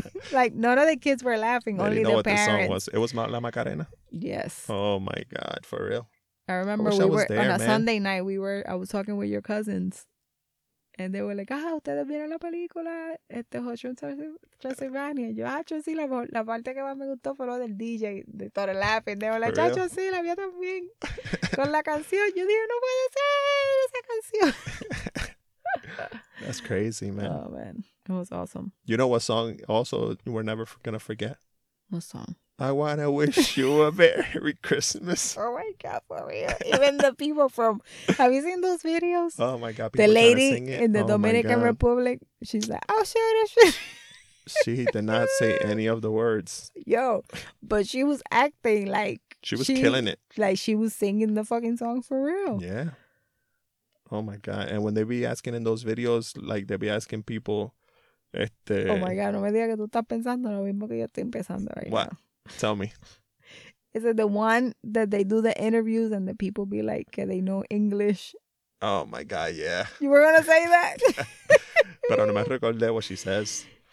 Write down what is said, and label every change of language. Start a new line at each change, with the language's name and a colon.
English: Like none of the kids were laughing, they only know the what parents. The song was, it was La Macarena. Yes. Oh my God, for real. I remember I was there, man. Sunday night I was talking with your cousins and they were like,
Spanish: ah, ustedes vieron la película este
English: Transylvania.
Spanish: Yo, Chacho, sí, la parte que más me gustó fue lo del DJ.
English: They started laughing. They were like,
Spanish: Chacho, sí, la vi también con la canción. Yo dije, no puede ser esa canción.
English: That's crazy, man. Oh, man. It was awesome. You know what song also we're never going to forget? What song? I want to wish you a Merry Christmas. Oh, my God, for real. Even the people from... Have you seen those videos? Oh, my God. The lady in the Dominican Republic. She's like, oh, shit, oh, shit. She did not say any of the words. Yo, but she was acting like... She was killing it. Like she was singing the fucking song for real. Yeah. Oh, my God. And when they be asking in those videos, like, they be asking people...
Spanish: Oh, my God. No me digas que tú estás pensando lo mismo que yo estoy pensando right
English: what? Now. Tell me. Is it the one that they do the interviews and the people be like, can they know English? Oh, my God. Yeah. You were going to say that?
Spanish: Pero no me recordé
English: what she says.